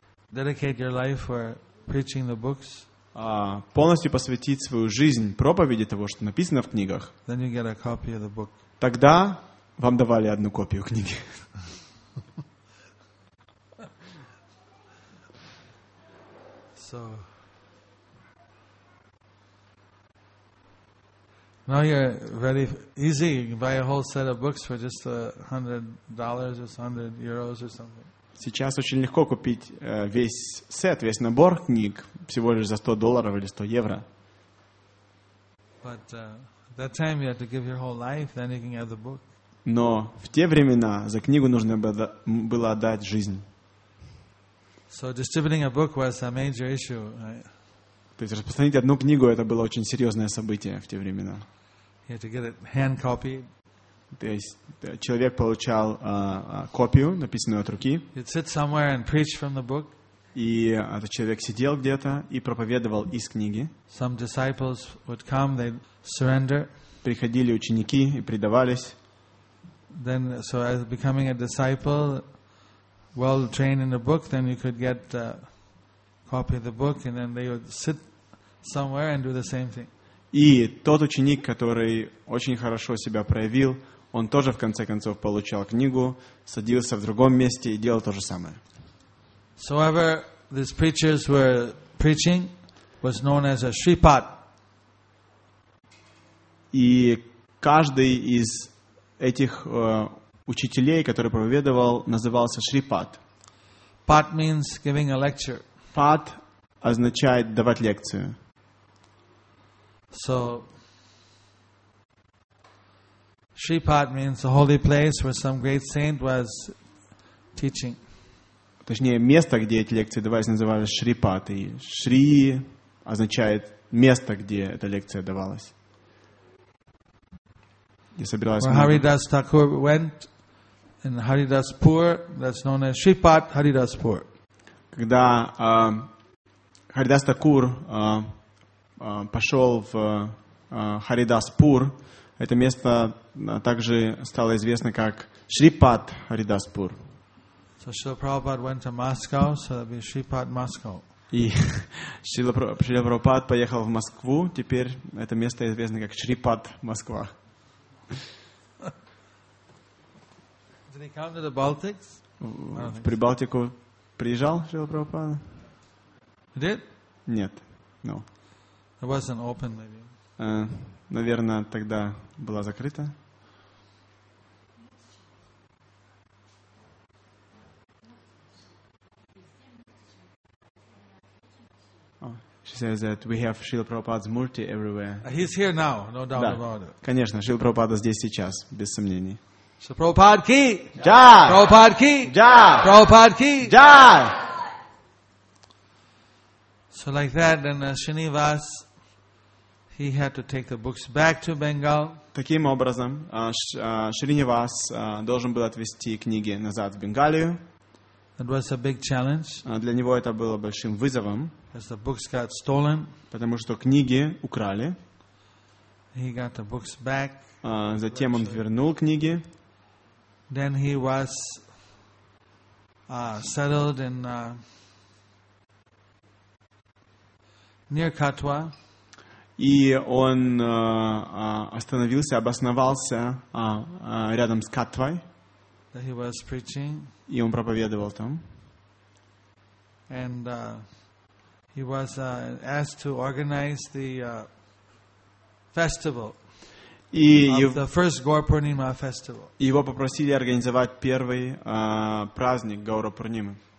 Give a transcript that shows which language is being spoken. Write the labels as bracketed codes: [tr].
[en] Dedicate your life for preaching the books. [ru] Полностью посвятить свою жизнь проповеди того, что написано в книгах. [en] Then you get a copy of the book. [ru] Тогда вам давали одну копию книги. [en] So. Now you're very easy. You can buy a whole set of books for just $100 or €100 or something. [ru] Сейчас очень легко купить весь сет, весь набор книг всего лишь за $100 или €100. [en] But that time you had to give your whole life, then you can have the book. [ru] Но в те времена за книгу нужно было отдать жизнь. [en] So distributing a book was a major issue. [ru] То есть распространить одну книгу — это было очень серьезное событие в те времена. [en] You had to get it hand copied. [ru] То есть человек получал копию, написанную от руки. [en] You'd sit somewhere and preach from the book. [ru] И этот человек сидел где-то и проповедовал из книги. [en] Some disciples would come, they'd surrender. [ru] Приходили ученики и предавались. [en] Then, so as becoming a disciple, well trained in the book, then you could get a copy of the book, and then they would sit somewhere and do the same thing. [ru] И тот ученик, который очень хорошо себя проявил, он тоже в конце концов получал книгу, садился в другом месте и делал то же самое. [en] So however, these preachers were preaching was known as a shripat. [ru] И каждый из этих учителей, который проповедовал, назывался шрипат. [en] Pat means giving a lecture. [ru] Pat означает давать лекцию. [en] So shripat means a holy place where some great saint was teaching. [ru] Точнее, место, где эти лекции давались, называлось шрипат. И шри означает место, где эта лекция давалась. [en] Haridas Thakur went in Haridaspur, that's known as Shripat Haridaspur. [ru] Когда Haridas Thakur пошел в Haridaspur, это место также стало известно как Shripat Haridaspur. [en] So Srila Prabhupada went to Moscow, so that'd be Shripat Moscow. [ru] И Шрила Прабхупад поехал в Москву, теперь это место известно как Shripat Москва. [en] Did he come to the Baltics? [ru] В Прибалтику приезжал Шрила Прабхупада? [en] Did? [ru] Нет. [en] No. It wasn't open, maybe. [ru] Наверное, тогда была закрыта. [en] She says that we have Srila Prabhupada's murti everywhere. He's here now, no doubt [ru] да, [en] about it. [ru] Конечно, Шрила Прабхупада здесь сейчас, без сомнений. [hi] So Prabhupada ki! Jai! Prabhupada ki! Jai! Prabhupada ki! Jai! [en] So like that, then Srinivas, he had to take the books back to Bengal. [ru] Таким образом, Шринивас должен был отвезти книги назад в Бенгалию. [en] It was a big challenge. [ru] Для него это было большим вызовом. [en] As the books got stolen, [ru] потому что книги украли. [en] He got the books back. [ru] Затем он вернул книги. [en] Then he was settled in near Katwa. [ru] И он остановился, обосновался рядом с Катвой. [en] That he was preaching. [ru] И он проповедовал там. [en] And he was asked to organize the festival of the first Gaurapurnima festival. [ru] Его попросили организовать первый праздник Гаурапурнимы.